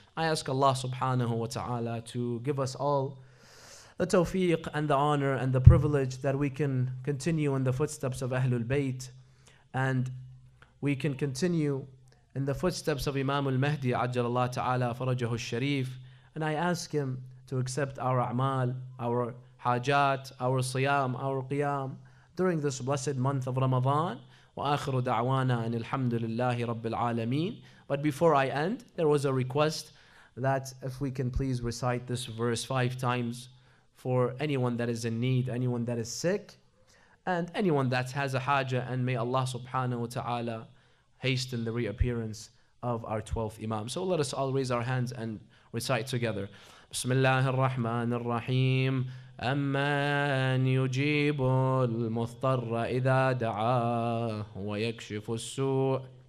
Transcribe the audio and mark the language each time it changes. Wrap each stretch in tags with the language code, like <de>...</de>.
<en>I ask Allah subhanahu wa ta'ala to give us all the tawfiq and the honor and the privilege that we can continue in the footsteps of Ahlul Bayt, and we can continue in the footsteps of Imam al-Mahdi, ajjalallahu ta'ala farajahu al-sharif. And I ask him to accept our a'mal, our hajat, our siyam, our qiyam during this blessed month of Ramadan.</en> <ar>وآخر دعوانا أن الحمد لله رب العالمين.</ar> <en>But before I end, there was a request that if we can please recite this verse 5 times for anyone that is in need, anyone that is sick, and anyone that has a haja, and may Allah subhanahu wa ta'ala hasten the reappearance of our 12th imam. So let us all raise our hands and recite together.</en> <ar>بسم الله الرحمن الرحيم أمن يجيب المضطر إذا دعاه ويكشف السوء</ar>